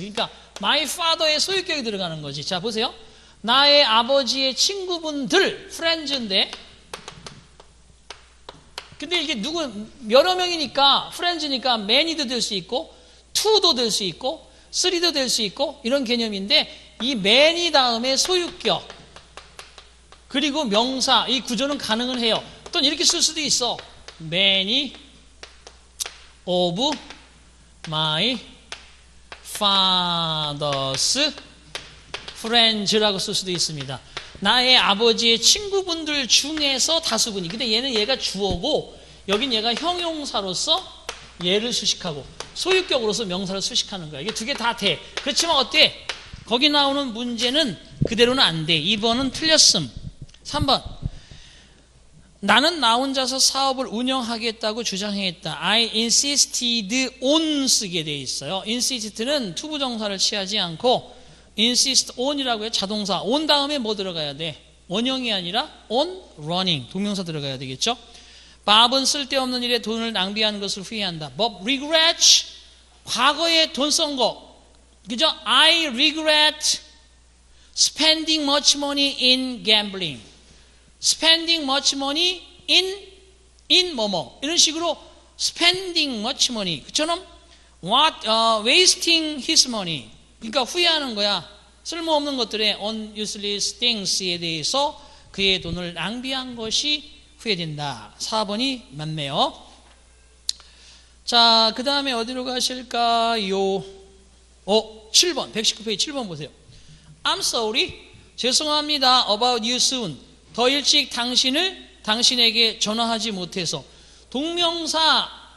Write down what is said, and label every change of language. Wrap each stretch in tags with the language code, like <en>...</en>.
<ko>그러니까 my father의 소유격이 들어가는 거지. 자, 보세요. 나의 아버지의 친구분들 friends인데 근데 이게 누구 여러 명이니까 friends니까 many도 될 수 있고 to도 될 수 있고 three도 될 수 있고 이런 개념인데 이 many 다음에 소유격 그리고 명사 이 구조는 가능은 해요. 또는 이렇게 쓸 수도 있어.</ko> <en>many of my father's friends</en> <ko>라고 쓸 수도 있습니다. 나의 아버지의 친구분들 중에서 다수분이. 근데 얘는 얘가 주어고 여긴 얘가 형용사로서 얘를 수식하고 소유격으로서 명사를 수식하는 거야. 이게 두 개 다 돼. 그렇지만 어때? 거기 나오는 문제는 그대로는 안 돼. 2번은 틀렸음. 3번. 나는 나 혼자서 사업을 운영하겠다고 주장했다.</ko> <en>I insisted on</en> <ko>쓰게 돼 있어요. insist는 투부정사를 취하지 않고 insist on이라고 해요. 자동사. on 다음에 뭐 들어가야 돼? 원형이 아니라 on running. 동명사 들어가야 되겠죠? Bob은 쓸데없는 일에 돈을 낭비하는 것을 후회한다.</ko> <en>Bob regrets</en> <ko>과거에 돈 쓴 거. 그죠?</ko> <en>I regret spending much money in gambling. Spending much money in</en> <ko>뭐뭐 이런 식으로 spending much money 그처럼</ko> <en>what wasting his money</en> <ko>그러니까 후회하는 거야. 쓸모없는 것들에</ko> <en>on useless things</en> <ko>에 대해서 그의 돈을 낭비한 것이 후회된다. 4번이 맞네요. 자, 그 다음에 어디로 가실까요? 7번 119페이지 7번 보세요.</ko> <en>I'm sorry</en> <ko>죄송합니다</ko> <en>about you soon</en> <ko>더 일찍 당신에게 전화하지 못해서. 동명사</ko>